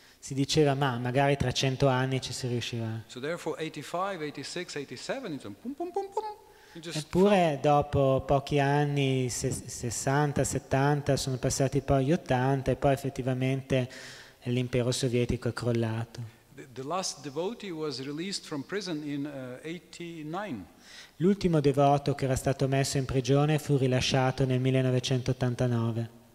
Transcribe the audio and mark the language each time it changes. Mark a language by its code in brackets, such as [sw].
[it] Si diceva, ma magari tra 100 anni ci si riuscirà. [en] So therefore 85, 86, 87, it's pum pum pum pum. [it] Eppure dopo pochi anni, 60, 70, sono passati poi gli 80 e poi effettivamente l'impero sovietico è crollato. [en] The last devotee was released from prison in 89. [it] L'ultimo devoto che era stato messo in prigione fu rilasciato nel 1989.